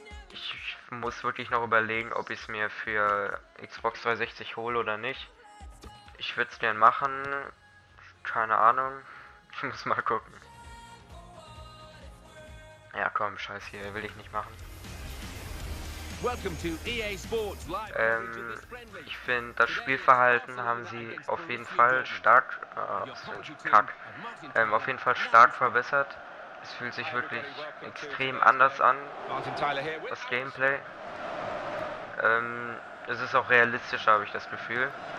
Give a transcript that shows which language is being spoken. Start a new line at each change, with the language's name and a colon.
German: Ich muss wirklich noch überlegen, ob ich es mir für Xbox 360 hole oder nicht. Ich würde es gern machen. Keine Ahnung. Ich muss mal gucken. Ja, komm, scheiß hier, will ich nicht machen.
English: Welcome to EA Sports Live Coverage of this friendly.
German: Ich finde, das Spielverhalten haben sie auf jeden Fall stark, Kack. Auf jeden Fall stark verbessert. Es fühlt sich wirklich extrem anders an, das Gameplay. Es ist auch realistischer, habe ich das Gefühl.